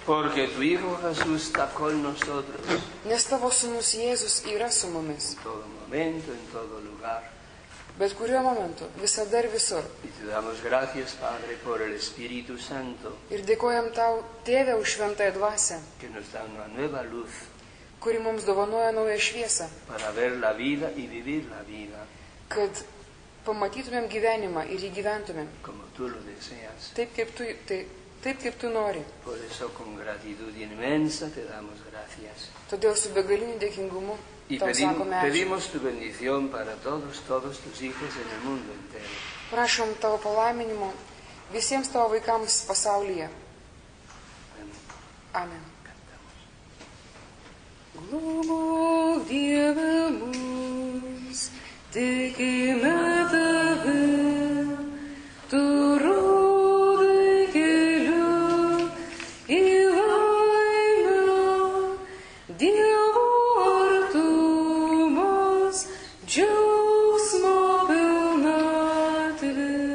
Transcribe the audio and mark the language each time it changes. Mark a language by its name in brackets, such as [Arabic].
[Spanish] Porque tu Hijo Jesús está con nosotros. [Lithuanian] Nes tavo sūnus Jėzus yra su mumis. [Spanish] En todo momento, en todo lugar. [Lithuanian] Bet kuriuo momentu, visada ir visur. [Spanish] Y te damos gracias, Padre, por el Espíritu Santo. [Lithuanian] Ir dėkojam tau, Tėve, už šventąją dvasę. [Spanish] Que nos da una nueva luz. [Lithuanian] Kuri mums dovanoja naują šviesą. [Spanish] Para ver la vida y vivir la vida. [Lithuanian] Kad pamatytumėm gyvenimą ir jį gyventumėm. [Spanish] Como tú lo deseas. [Lithuanian] Taip, kaip tu nori. [Spanish] Por eso, con gratitud inmensa, te damos gracias. [Lithuanian] Todėl su begaliniu dėkingumu tau sakome ačiū. [Spanish] Y pedimos tu bendición para todos tus hijos en el mundo entero. [Lithuanian] Prašom tavo palaiminimo visiems tavo vaikams pasaulyje. [Spanish] Amen. [Lithuanian] Globok Dieve mums, tikime Tave, Tu rodai kelią į laimę, Dievo artumas, džiausmo pilnatvė.